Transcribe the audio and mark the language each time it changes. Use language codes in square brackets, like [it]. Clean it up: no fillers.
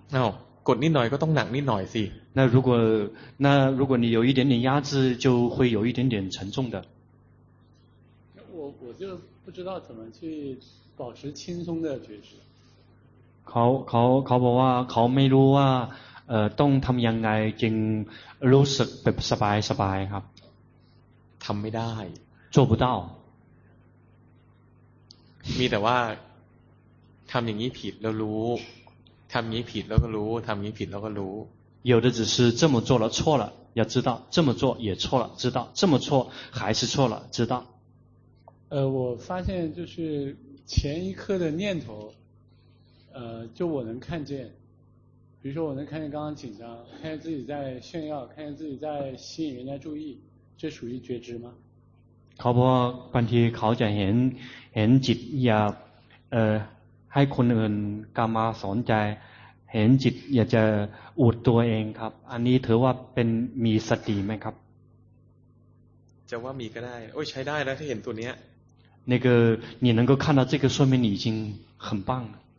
[th] เอ้ากดนิดหน่อยก็ต้องหนักนิดหน่อยสิ [zh] 那如果你有一点点压制就会有一点点沉重的我就不知道怎么去保持轻松的觉知。 [th] เขาบอกว่าเขาไม่รู้ว่าต้องทำยังไงจึงรู้สึกแบบสบายครับ。 ทำไม่ได้ [zh] 。做不到。 [th] มีแต่ว่า ทำอย่างนี้ผิดแล้วรู้ทำอย่างนี้ผิดแล้วก็รู้ทำอย่างนี้ผิดแล้วก็รู้ [zh] 有的只是这么做了错了要知道这么做也错了知道这么错还是错了知道我发现就是前一刻的念头就我能看见比如说我能看见刚刚紧张看见自己在炫耀看见自己在吸引人家注意这属于觉知吗 [th] เขาบอกบางทีเขาจะเห็นจิตอยากให้คนอื่นกามาสนใจเห็นจิตอยากจะอวดตัวเองครับอันนี้ถือว่าเป็นมีสติไหมครับ จะว่ามีก็ได้โอ้ใช้ได้แล้วถ้าเห็นตัวเนี้ย [zh] 那个你能够看到这个说明你已经很棒了